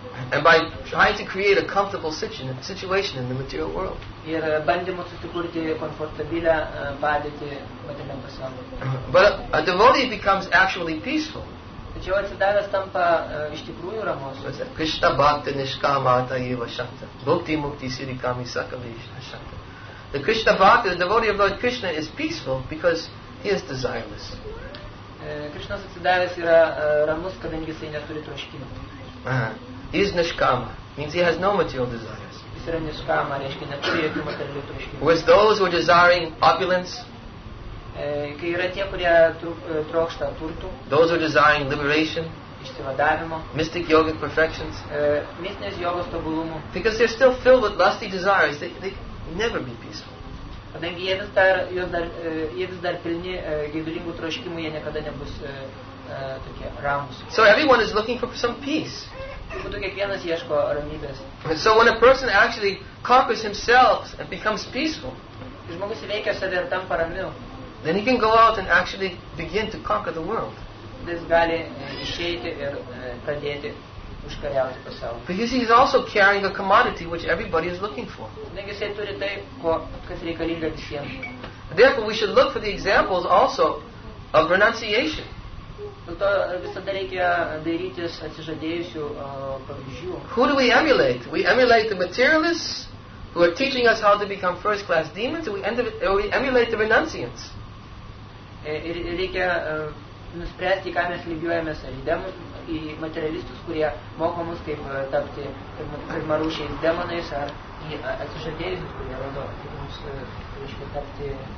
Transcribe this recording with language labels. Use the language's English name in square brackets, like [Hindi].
[English] And by trying to create a comfortable situation in the material world. [Lithuanian] Ir bandymu susikurti komfortabilę padėtį materialiam pasaulyje. [English] But a devotee becomes actually peaceful. [Lithuanian] Tačiau atsidavęs tampa iš tikrųjų ramus. [Sanskrit] Krishna bhakti nishkama atayiva shakta. Bhakti mukti sirikami sakalishna shakta. [English] The Krishna bhakti, the devotee of Lord Krishna is peaceful because he is desireless. [Lithuanian] Krishna's atsidavęs yra ramus, kadangi jisai neturi troškimų. [English] He is nishkama, means he has no material desires. [Lithuanian] Jis yra nishkama, reiškia neturi jokių materialių troškimų. [English] With those who are desiring opulence, [Lithuanian] kai yra tie, kurie trokšta turtų, [English] those who are desiring liberation, [Lithuanian] išsivadavimo, [English] mystic yogic perfections, [Lithuanian] mistinės jogos tobulumų, [English] because they're still filled with lusty desires, they can never be peaceful. [Lithuanian] Kadangi jie vis dar, pilni gedulingų troškimų, jie niekada nebus tokie ramus. [English] So everyone is looking for some peace. [Lithuanian] Būtų kiekvienas ieško ramybės. [English] So when a person actually conquers himself and becomes peaceful, [Lithuanian] žmogus įveikia save ir tampa ramiu, [English] then he can go out and actually begin to conquer the world. [Lithuanian] Jis gali išeiti ir pradėti užkariauti pasaulį. [English] Because he is also carrying a commodity which everybody is looking for. Therefore, we should look for the examples also of renunciation. Who do we emulate? We emulate the materialists who are teaching us how to become first class demons, we emulate the renunciants. [Lithuanian] Reikia nuspręsti, ką mes lygiuojamės ar į demonus, į materialistus, kurie moko mus kaip tapti pirmarūšiais demonais, ar į atsižadėjusius, kurie rodo, kaip mums reiškia tapti.